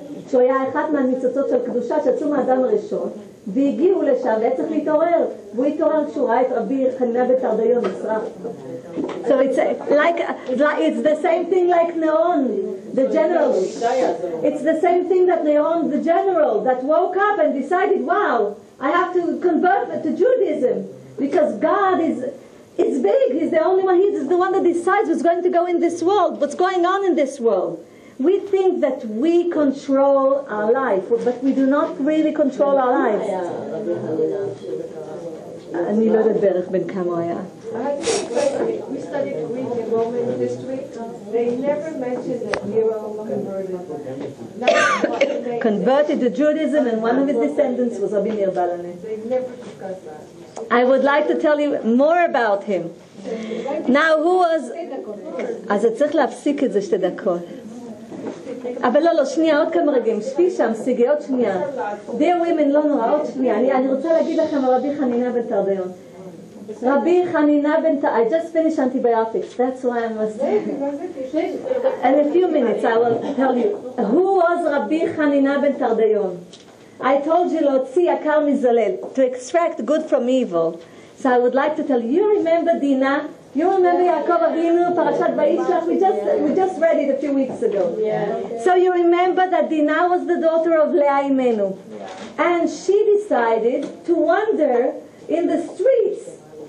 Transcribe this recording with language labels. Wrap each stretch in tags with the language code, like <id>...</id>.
<he>שהוא היה אחת מהניצוצות של קדושה שיצאו מהאדם הראשון והגיעו לשם והיה צריך להתעורר והוא התעורר כשהוא ראה את רבי חנינה בן תרדיון נשרף.</he> <en>So it's like it's the same thing like Naon, the general. It's the same thing that Naon, the general, that woke up and decided, wow, I have to convert to Judaism because God is... It's big. He's the only one. He's the one that decides what's going to go in this world, what's going on in this world. We think that we control our life, but we do not really control our life. I think we studied Greek and Roman history. They never mentioned that Nero converted. Converted to Judaism, and one of his descendants was Rabbi Meir. They never discussed that. I would like to tell you more about him. Now, who was?</en> <he>אז צריך להפסיק את זה שתי דקות. אבל לא, שנייה, עוד כמה רגעים. שפי שם, סיגי, עוד שנייה.</he> <en>Dear women,</en> <he>לא נורא, עוד שנייה. אני רוצה להגיד לכם על רבי חנינה בן תרדיון. רבי חנינה בן תרדיון.</he> <en>I just finished antibiotics. That's why I must say. In a few minutes, I will tell you. Who was רבי חנינה בן תרדיון? I told you,</en> <he>להוציא יקר מזלל.</he> <en>To extract good from evil. So I would like to tell you. You remember Dina? You remember Yaakov Avinu, Parashat Vayishlach? We just read it a few weeks ago. Yeah. So you remember that Dina was the daughter of Leah Imenu. Yeah. And she decided to wander in the streets.</en>